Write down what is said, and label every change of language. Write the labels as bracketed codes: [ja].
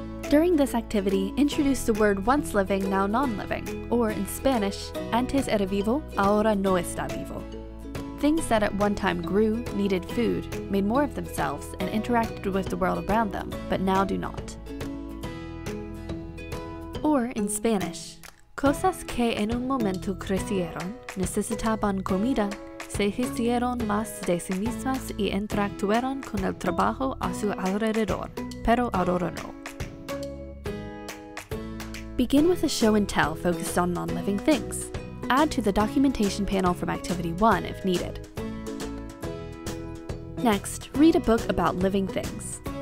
[en] During this activity, introduce the word once living, now non-living, or in Spanish, [es] antes era vivo, ahora no está vivo. [en] Things that at one time grew, needed food, made more of themselves, and interacted with the world around them, but now do not. Or in Spanish, [es] cosas que en un momento crecieron, necesitaban comida, se hicieron más de sí mismas y interactuaron con el trabajo a su alrededor, pero ahora no. [en] Begin with a show and tell focused on non-living things. Add to the documentation panel from Activity 1 if needed. Next, read a book about living things.